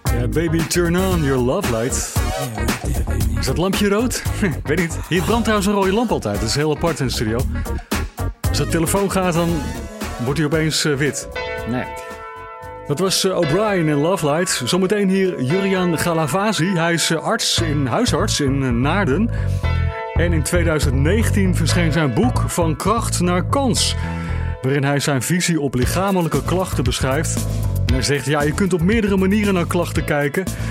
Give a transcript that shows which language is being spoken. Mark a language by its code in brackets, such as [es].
[en] Baby, turn on your love light. [nl] Is dat lampje rood? Weet niet. Hier brandt trouwens een rode lamp altijd. Dat is heel apart in de studio. Als dat telefoon gaat, dan wordt hij opeens wit. Nee. Dat was O'Brien in Love Light. Zometeen hier Jurian Galavazi. Hij is huisarts in Naarden. En in 2019 verscheen zijn boek Van Kracht naar Kans. Waarin hij zijn visie op lichamelijke klachten beschrijft. En hij zegt, ja, je kunt op meerdere manieren naar klachten kijken.